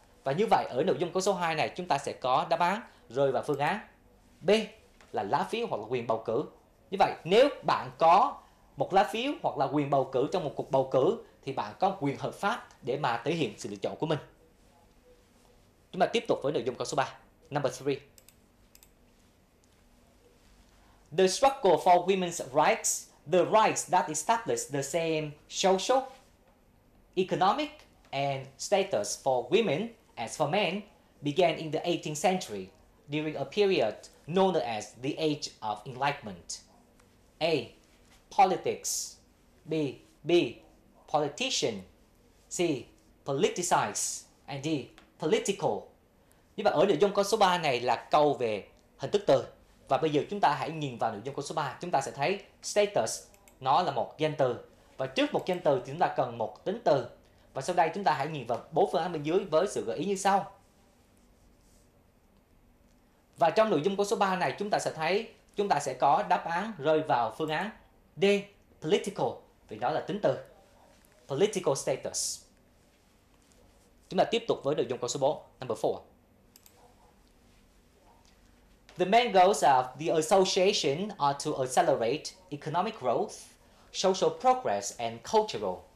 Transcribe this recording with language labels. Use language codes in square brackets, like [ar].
[vi] Và như vậy ở nội dung câu số 2 này chúng ta sẽ có đáp án rơi vào phương án B là lá phiếu hoặc là quyền bầu cử. Như vậy nếu bạn có một lá phiếu hoặc là quyền bầu cử trong một cuộc bầu cử thì bạn có quyền hợp pháp để mà thể hiện sự lựa chọn của mình. Chúng ta tiếp tục với nội dung câu số 3. [en] Number 3. The struggle for women's rights, the rights that establish the same social, economic and status for women as for men began in the 18th century during a period known as the Age of Enlightenment. A. Politics. B. Politician. C. Politicize. And D. Political. [vi] Như vậy ở nội dung câu số 3 này là câu về hình thức từ. Và bây giờ chúng ta hãy nhìn vào nội dung câu số 3. Chúng ta sẽ thấy status nó là một danh từ. Và trước một danh từ thì chúng ta cần một tính từ. Và sau đây chúng ta hãy nhìn vào bốn phương án bên dưới với sự gợi ý như sau. Và trong nội dung câu số 3 này chúng ta sẽ thấy chúng ta sẽ có đáp án rơi vào phương án D, political, vì đó là tính từ. [en] Political status. [vi] Chúng ta tiếp tục với nội dung câu số 4, [en] number 4. The main goals of the association are to accelerate economic growth, social progress and cultural.